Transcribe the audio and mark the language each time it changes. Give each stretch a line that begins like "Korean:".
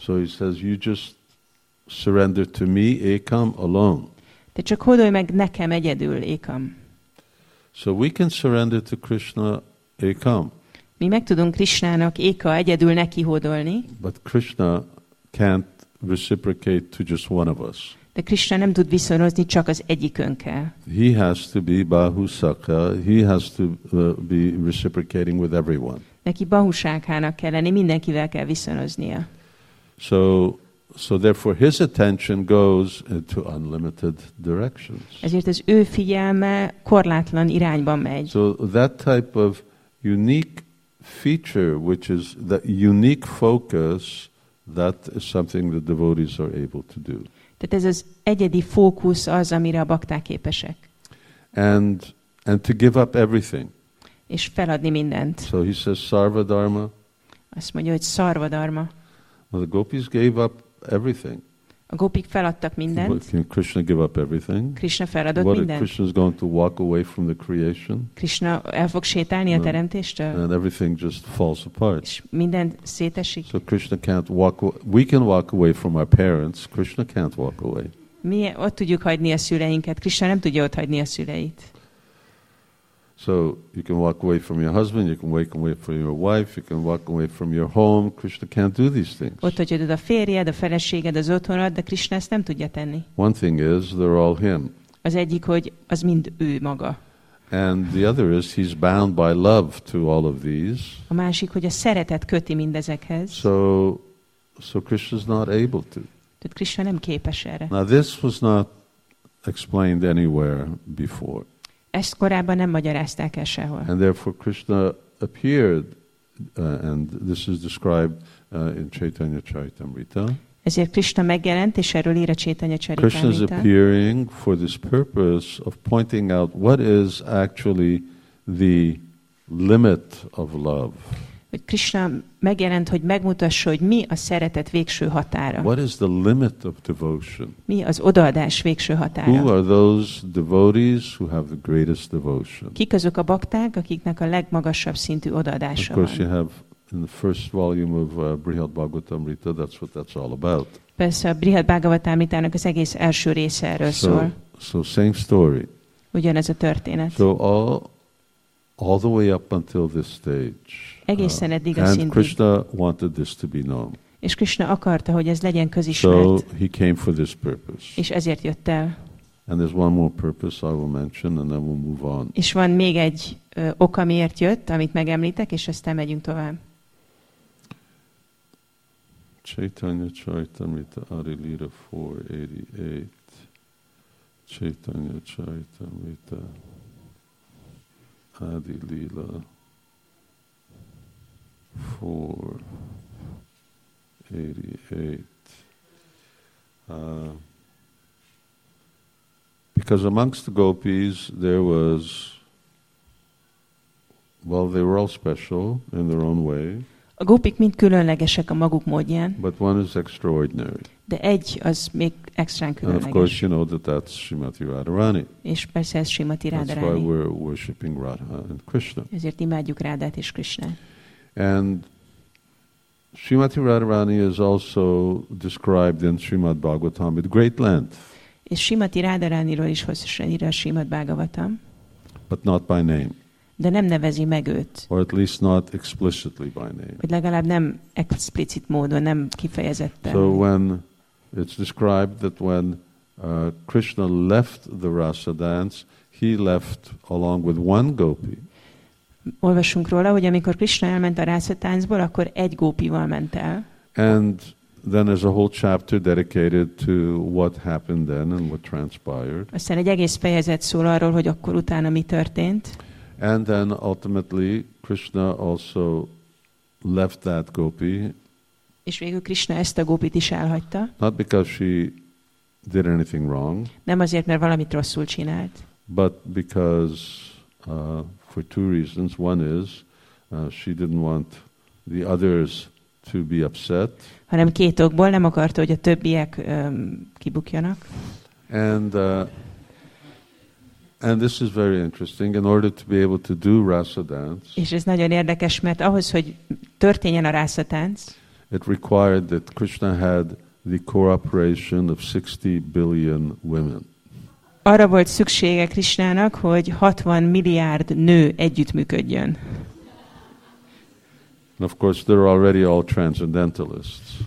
English: So he says, "You just surrender to me, ekam alone."
Hungarian: De csak hódolj meg nekem egyedül, ekam.
English: So we can surrender to Krishna, ekam.
Hungarian: Mi meg tudunk Krishnának éka egyedül neki hódolni.
English: But Krishna can't reciprocate to just one of us.
Hungarian: De Krishna nem tud viszonozni csak az egyikönkkel.
English: He has to be bahusaka. He has to be reciprocating with everyone.
Hungarian: Neki bahusákának kell lenni, mindenkivel kell viszonoznia.
English: So therefore his attention goes into unlimited directions.
Hungarian: Ezért az ő figyelme korlátlan irányba megy.
English: So that type of unique feature, which is the unique focus, that is something the devotees are able to do.
Hungarian: Tehát ez az egyedi fókusz az, amire a bakták képesek.
English: And to give up everything.
Hungarian: És feladni mindent.
English: So he says sarva dharma.
Hungarian: Azt mondja, hogy sarva dharma.
English: Well, the gopis gave up everything.
Hungarian: A gopik feladtak mindent.
English: Can Krishna give up everything?
Hungarian: Krishna feladott
English: what
Hungarian: mindent.
English: Krishna is going to walk away from the creation?
Hungarian: Krishna el fog sétálni a teremtéstől.
English: And everything just falls apart.
Hungarian: És minden szétesik.
English: So Krishna can't walk away. We can walk away from our parents. Krishna can't walk away.
Hungarian: Mi ott tudjuk hagyni a szüleinket. Krishna nem tudja ott hagyni a szüleit.
English: So you can walk away from your husband, you can walk away from your wife, you can walk away from your home. Krishna can't do these things.
Hungarian: Ott hagyod a férjed, a feleséged, az otthonod, de Krishna ezt nem tudja tenni.
English: One thing is, they're all him.
Hungarian: Az egyik, hogy az mind ő maga.
English: And the other is, he's bound by love to all of these.
Hungarian: A másik, hogy a szeretet köti mindezekhez.
English: So Krishna's not able to.
Hungarian: Tehát Krishna nem képes erre.
English: Now this was not explained anywhere before.
Hungarian: Ezt korábban nem magyarázták el sehol.
English: And therefore Krishna appeared, and this is described in Chaitanya Charitamrita.
Hungarian: Ezért Krishna megjelent, és erről ír a Chaitanya Charitamrita.
English: Krishna is appearing for this purpose of pointing out what is actually the limit of love.
Hungarian: Hogy Krishna megjelent, hogy megmutassa, hogy mi a szeretet végső határa.
English: What is the limit of devotion?
Hungarian: Mi az odaadás végső határa?
English: Who are those devotees who have the greatest devotion?
Hungarian: Kik azok a bakták, akiknek a legmagasabb szintű odaadása van?
English: Of course you have in the first volume of Brihad Bhagavatamrita, that's what that's all about.
Hungarian: Persze a Brihad Bhagavatamritának az egész első része erről szól.
English: So same story.
Hungarian: Ugyanez a történet.
English: So all the way up until this stage.
Hungarian: Egészen eddig
English: and
Hungarian: a szintig.
English: Krishna wanted this to be known.
Hungarian: És Krishna akarta, hogy ez legyen közismert.
English: So he came for this purpose.
Hungarian: És ezért jött el.
English: And there's one more purpose I will mention, and then we'll move on.
Hungarian: És van még egy ok, amiért jött, amit megemlítek, és aztán megyünk tovább.
English: Chaitanya Charitamrita Arilira 488.
Hungarian: Chaitanya Charitamrita Adi Lila 488.
English: Because amongst the gopis there was, well, they were all special in their own way.
Hungarian: A gopik mind különlegesek a maguk módján.
English: But one is extraordinary.
Hungarian: De egy az még extrán különleges.
English: And of course you know that that's Srimati Radharani.
Hungarian: És persze ez Srimati Radharani.
English: That's why we're worshipping Radha and Krishna.
Hungarian: Ezért imádjuk Rádát és Krishnát.
English: And Srimati Radharani is also described in Srimad Bhagavatam with great length.
Hungarian: És Srimati Radharaniról is hosszasan ír a Srimad Bhagavatam.
English: But not by name.
Hungarian: De nem nevezi meg őt.
English: Or at least not explicitly by name.
Hungarian: Vagy legalább nem explicit módon, nem kifejezetten.
English: So when it's described that when Krishna left the Rasa dance, he left along with one gopi.
Hungarian: Olvasunk róla, hogy amikor Krishna elment a Rasa táncból, akkor egy gópival ment el.
English: And then there's a whole chapter dedicated to what happened then and what transpired.
Hungarian: Aztán egy egész fejezet szól arról, hogy akkor utána mi történt.
English: And then ultimately Krishna also left that gopi.
Hungarian: És végül Krishna ezt a gópit is elhagyta.
English: Not because she did anything wrong.
Hungarian: Nem azért, mert valamit rosszul csinált.
English: But because for two reasons. One is, she didn't want the others to be upset.
Hungarian: Hanem két okból nem akarta, hogy a többiek kibukjanak.
English: And this is very interesting. In order to be able to do Rasa dance.
Hungarian: És ez nagyon érdekes, mert ahhoz, hogy történjen a Rasa tánc.
English: It required that Krishna had the cooperation of 60 billion women.
Hungarian: Arra volt szüksége Krishnának, hogy 60 milliárd nő együttműködjön.
English: And of course, they're already all transcendentalists.